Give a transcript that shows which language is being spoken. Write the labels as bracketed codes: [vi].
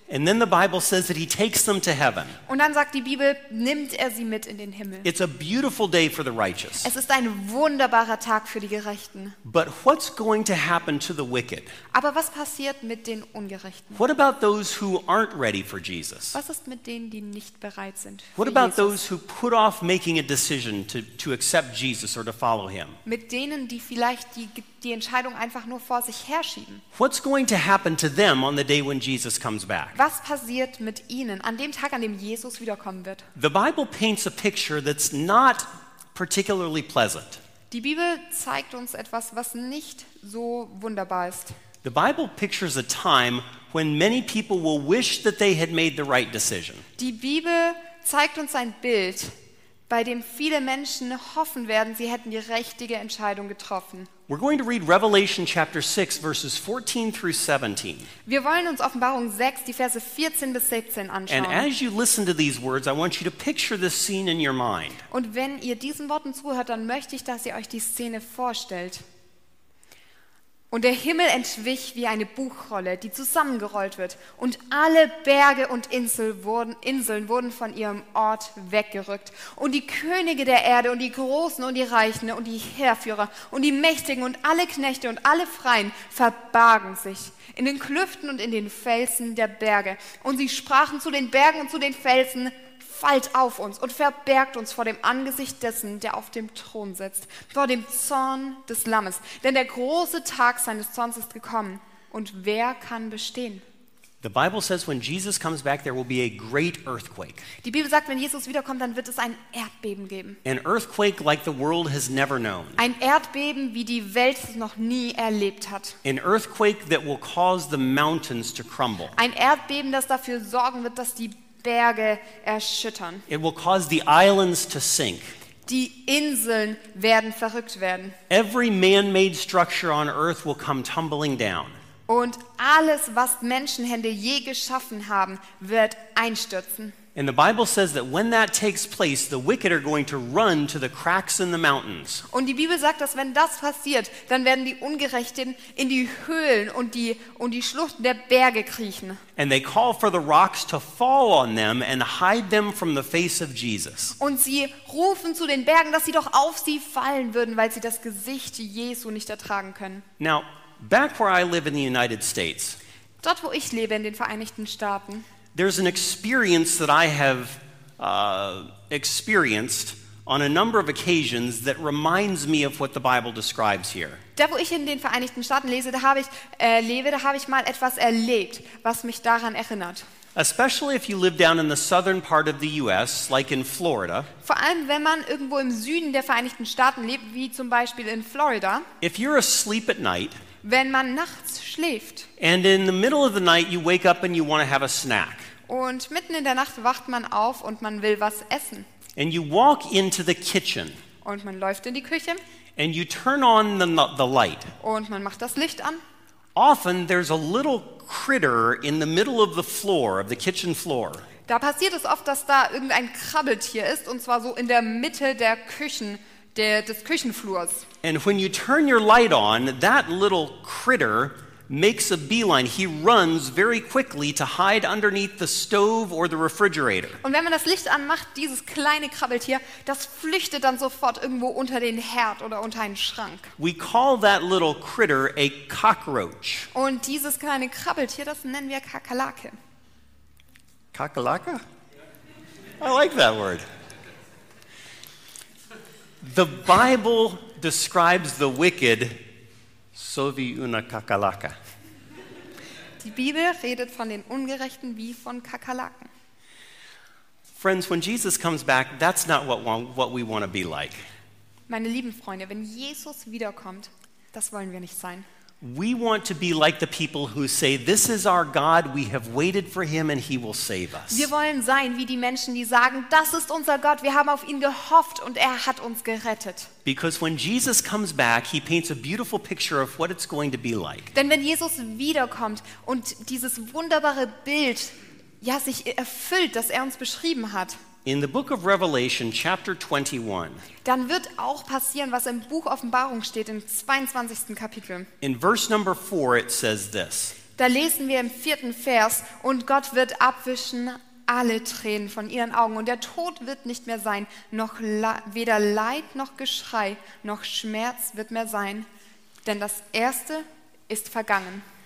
[en] And then the Bible says that he takes them to heaven. [de] Und dann sagt die Bibel, nimmt er sie mit in den Himmel. [en] It's a beautiful day for the righteous. [de] Es ist ein wunderbarer Tag für die Gerechten. [en] But what's going to happen to the wicked? [de] Aber was passiert mit den Ungerechten? [en] What about those who aren't ready for Jesus? [de] Was ist mit denen, die nicht bereit sind für Jesus? [en] What about those who put off making a decision to accept Jesus or to follow him? [de] Mit denen, die vielleicht die Entscheidung einfach nur vor sich herschieben. [en] What's going to happen to them on the day when Jesus comes back? [de] Was passiert mit ihnen an dem Tag, an dem Jesus wiederkommen wird? [en] The Bible paints a picture that's not particularly pleasant. [de] Die Bibel zeigt uns etwas, was nicht so wunderbar ist. [en] The Bible pictures a time when many people will wish that they had made the right decision. [de] Die Bibel zeigt uns ein Bild, bei dem viele Menschen hoffen werden, sie hätten die richtige Entscheidung getroffen. [en] We're going to read Revelation chapter 6 verses 14 through 17. [de] Wir wollen uns Offenbarung 6 die Verse 14 bis 17 anschauen. [en] And as you listen to these words, I want you to picture this scene in your mind. [de] Und wenn ihr diesen Worten zuhört, dann möchte ich, dass ihr euch die Szene vorstellt. Und der Himmel entwich wie eine Buchrolle, die zusammengerollt wird. Und alle Berge und Inseln wurden von ihrem Ort weggerückt. Und die Könige der Erde und die Großen und die Reichen und die Heerführer und die Mächtigen und alle Knechte und alle Freien verbargen sich in den Klüften und in den Felsen der Berge. Und sie sprachen zu den Bergen und zu den Felsen, fallt auf uns und verbergt uns vor dem Angesicht dessen, der auf dem Thron sitzt, vor dem Zorn des Lammes. Denn der große Tag seines Zorns ist gekommen. Und wer kann bestehen? [en] The Bible says, when Jesus comes back, there will be a great earthquake. [de] Die Bibel sagt, wenn Jesus wiederkommt, dann wird es ein Erdbeben geben. [en] An earthquake like the world has never known. [de] Ein Erdbeben, wie die Welt es noch nie erlebt hat. [en] An earthquake that will cause the mountains to crumble. [de] Ein Erdbeben, das dafür sorgen wird, dass die Berge erschüttern. [en] It will cause the islands to sink. [de] Die Inseln werden verrückt werden. [en] Every man-made structure on earth will come tumbling down. [de] Und alles, was Menschenhände je geschaffen haben, wird einstürzen. [en] And the Bible says that when that takes place, the wicked are going to run to the cracks in the mountains. [de] Und die Bibel sagt, dass wenn das passiert, dann werden die Ungerechten in die Höhlen und die Schluchten der Berge kriechen. [en] And they call for the rocks to fall on them and hide them from the face of Jesus. [de] Und sie rufen zu den Bergen, dass sie doch auf sie fallen würden, weil sie das Gesicht Jesu nicht ertragen können. [en] Now, back where I live in the United States. [de] Dort, wo ich lebe, in den Vereinigten Staaten. [en] There's an experience that I have experienced on a number of occasions that reminds me of what the Bible describes here. [de] Da, wo ich in den Vereinigten Staaten lebe, da habe ich mal etwas erlebt, was mich daran erinnert. [en] Especially if you live down in the southern part of the U.S., like in Florida. [de] Vor allem, wenn man irgendwo im Süden der Vereinigten Staaten lebt, wie zum Beispiel in Florida. [en] If you're asleep at night. [de] Wenn man nachts schläft. [en] And in the middle of the night you wake up and you want to have a snack. [de] Und mitten in der Nacht wacht man auf und man will was essen. [en] And you walk into the kitchen. [de] Und man läuft in die Küche. [en] And you turn on the light. [de] Und man macht das Licht an. [en] Often there's a little critter in the middle of the floor, of the kitchen floor. [de] Da passiert es oft, dass da irgendein Krabbeltier ist, und zwar so in der Mitte der Küche. Des Küchenflurs. [en] And when you turn your light on, that little critter makes a beeline. He runs very quickly to hide underneath the stove or the refrigerator. [de] Und wenn man das Licht anmacht, dieses kleine Krabbeltier, das flüchtet dann sofort irgendwo unter den Herd oder unter einen Schrank. [en] We call that little critter a cockroach. [de] Und dieses kleine Krabbeltier, das nennen wir Kakerlake. [en] Kakerlake? I like that word. The Bible describes the wicked [de] so wie una Kakerlake. Die Bibel redet von den Ungerechten wie von Kakerlaken. [en] Friends, when Jesus comes back, that's not what we want to be like. [de] Meine lieben Freunde, wenn Jesus wiederkommt, das wollen wir nicht sein. [en] We want to be like the people who say, "This is our God. We have waited for Him, and He will save us." [de] Wir wollen sein wie die Menschen, die sagen, "Das ist unser Gott. Wir haben auf ihn gehofft, und er hat uns gerettet." [en] Because when Jesus comes back, He paints a beautiful picture of what it's going to be like. [de] Denn wenn Jesus wiederkommt und dieses wunderbare Bild ja sich erfüllt, das er uns beschrieben hat. [en] In the book of Revelation, chapter 21. [de] Dann wird auch passieren, was im Buch Offenbarung steht, im 22. Kapitel. [en] In verse number 4 it says this. [de] Da lesen wir im 4. Vers, und Gott wird abwischen alle Tränen von ihren Augen, und der Tod wird nicht mehr sein, noch weder Leid noch Geschrei noch Schmerz wird mehr sein, denn das Erste ist vergangen.